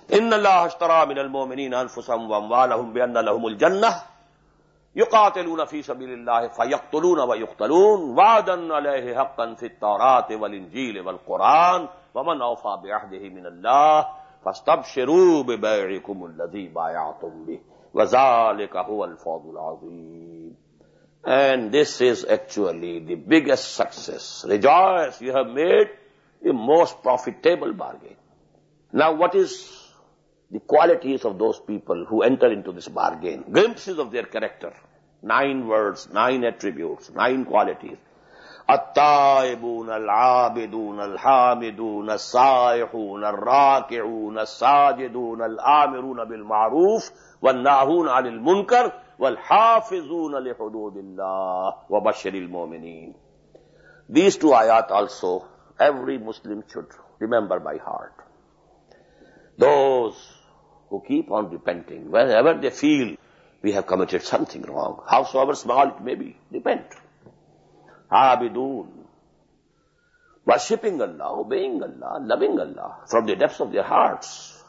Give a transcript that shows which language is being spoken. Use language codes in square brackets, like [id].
[ar] إِنَّ اللَّهَ اشْتَرَى مِنَ الْمُؤْمِنِينَ أَنفُسَهُمْ وَأَمْوَالَهُمْ بِأَنَّ لَهُمُ الْجَنَّةِ يُقَاتِلُونَ فِي سَبِيلِ اللَّهِ فَيَقْتُلُونَ وَيُقْتَلُونَ وَعْدًا عَلَيْهِ حَقًّا فِي التَّوْرَاةِ وَالْإِنْجِيلِ وَالْقُرْآنِ وَمَنْ أَوْفَى بِعَهْدِهِ مِنَ اللَّهِ فَاسْتَبْشِرُوا بِبَيْعِكُمُ الَّذِي بَايَعْتُمْ بِهِ وَذَلِكَ هُوَ الْفَوْزُ الْعَظِيمُ. [en] And this is actually the biggest success. Rejoice, you have made the most profitable bargain. Now what is the qualities of those people who enter into this bargain? Glimpses of their character. 9 words, 9 attributes, 9 qualities. [ar] التائبون العابدون الحامدون السائحون الراكعون الساجدون الآمرون بالمعروف والناهون عن المنكر والحافظون لحدود الله وبشر المؤمنين. [en] These two ayat also every Muslim should remember by heart. Those who keep on repenting, whenever they feel we have committed something wrong, howsoever small it may be, repent. Abidun, worshipping Allah, obeying Allah, loving Allah from the depths of their hearts.